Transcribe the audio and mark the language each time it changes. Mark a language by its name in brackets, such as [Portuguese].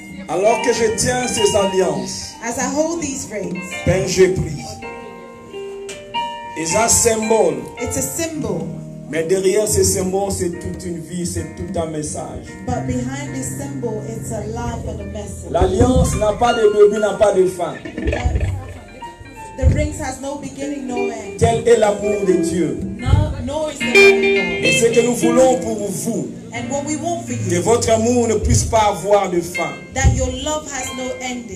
[French] Alors que je tiens ces alliances, [English] as I hold these rings, [French] ben je prie. [English] It's a symbol. It's a symbol. [French] Mais derrière ce symbole, c'est toute une vie, c'est tout un message. [English] But behind this symbol, it's a life and a message. [French] L'alliance n'a pas de début, n'a pas de fin. [English] The ring has no beginning, no end. [French] Tel est l'amour de Dieu. Et ce que nous voulons pour vous, [English] and what we want for you, [French] que votre amour ne puisse pas avoir de fin. [English] That your love has no ending.